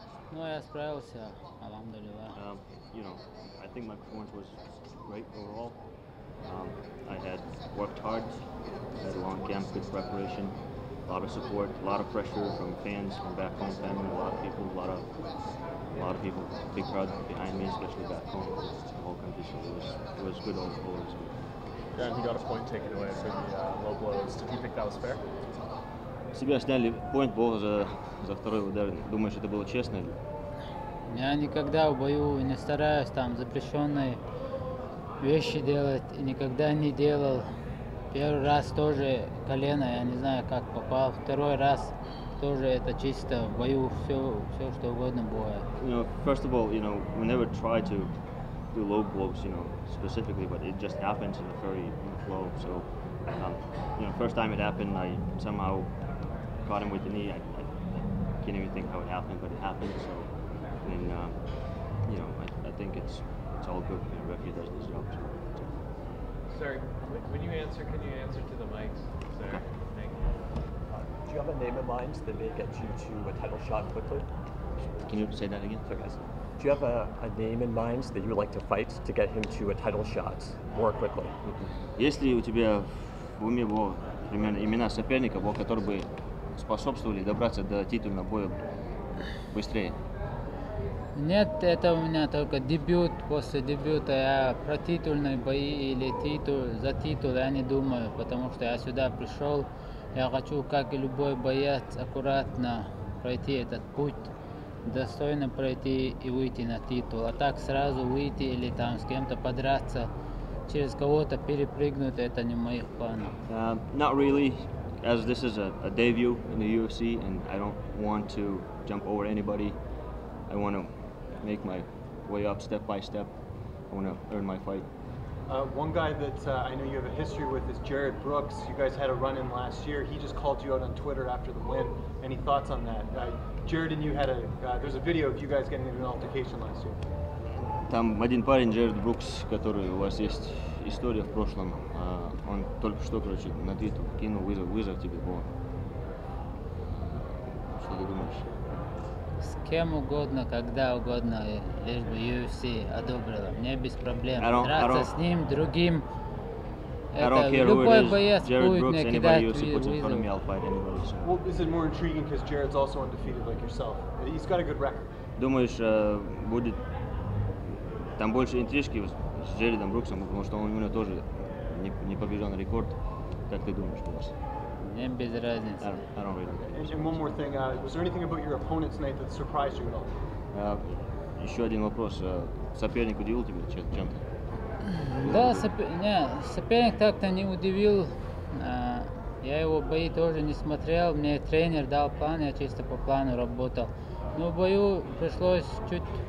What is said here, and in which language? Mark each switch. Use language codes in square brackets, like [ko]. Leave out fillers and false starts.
[ru] Ну, я справился, алхамдулилла. [en] You know, I think my performance was great overall. I had worked hard, had a long camp, good preparation, a lot of support, a lot of pressure from fans, from back home family, a lot of people, big crowd behind me, especially back home, the whole competition. It was good overall. Yeah, and he got a point taken away for the low blows. Did you think that was fair? [ru] Себя сняли поинт бога за второй удар. Думаешь, это было честно? Я никогда в бою не стараюсь там запрещенные вещи делать и никогда не делал. Первый раз тоже колено, я не знаю, как попал. Второй раз тоже это чисто в бою все что угодно бывает. [en] You know, first of all, you know, we never try to do low blows, you know, specifically, but it just happens in a very low. So, you know, first time it happened, I somehow caught him with the knee. I can't even think how it happened, but it happened. So, and you know, I think it's all good. And referee does his job. Sir, when you answer, can you answer to the mics, sir? Thank you. Do you have a name in mind that may get you to a title shot quickly? Can you say that again? Sorry, guys. Do you have a name in mind that you would like to fight to get him to a title shot more quickly? [ru] Если у тебя в уме было примерно имена соперника, был который бы способствовали добраться до титульного боя быстрее? Нет, это у меня только дебют. После дебюта я про титульные бои или за титул я не думаю, потому что я сюда пришел. Я хочу, как и любой боец, аккуратно пройти этот путь, достойно пройти и выйти на титул. А так сразу выйти или там с кем-то подраться, через кого-то перепрыгнуть, это не в моих планах. [en] Not really. As this is a debut in the UFC, and I don't want to jump over anybody. I want to make my way up step by step. I want to earn my fight. One guy that I know you have a history with is Jared Brooks. You guys had a run-in last year. He just called you out on Twitter after the win. Any thoughts on that? Jared and you had there's a video of you guys getting into an altercation last year. [ru] Там один парень, Джеред Брукс, который у вас есть история в прошлом, он только что, короче, на твиту кинул вызов тебе, Бо. Что ты думаешь? С кем угодно, когда угодно, лишь бы UFC одобрила. Мне без проблем. Драться с ним, другим. Любой боец будет мне кидать вызов. Это более интригно, потому что Джеред тоже [en] undefeated, [ru] как ты. Он имеет хороший рекорд. Думаешь, будет... Там больше интрижки с Джередом Бруксом, потому что он у него тоже непобежденный рекорд. Как ты думаешь, Борис? Мне без разницы. [en] I don't really care. And one more thing. Was there anything about your opponent tonight that surprised you at all? [ru] Еще один вопрос. Соперник удивил тебя чем-то? Да, соперник так-то не удивил. Я его бои тоже не смотрел. Мне тренер дал план, я чисто по плану работал. Но в бою пришлось чуть...